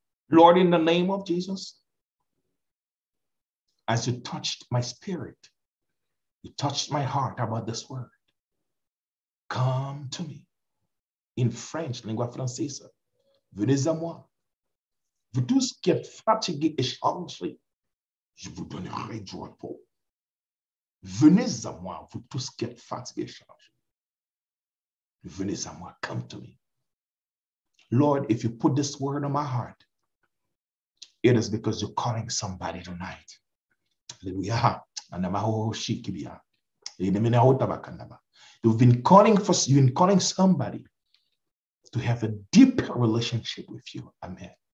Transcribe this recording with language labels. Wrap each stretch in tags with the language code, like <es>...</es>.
<en>Lord, in the name of Jesus, as you touched my spirit, you touched my heart about this word. Come to me. in French,</en> <pt>lingua francesa.</pt> <fr>Venez à moi. Vous tous qui êtes fatigués et chargés, je vous donnerai du repos. Venez à moi, vous tous qui êtes fatigués et chargés. Venez à moi,</fr> <en>come to me. Lord, if you put this word on my heart, it is because you're calling somebody tonight. Hallelujah. You've been calling somebody to have a deeper relationship with you. Amen.</en>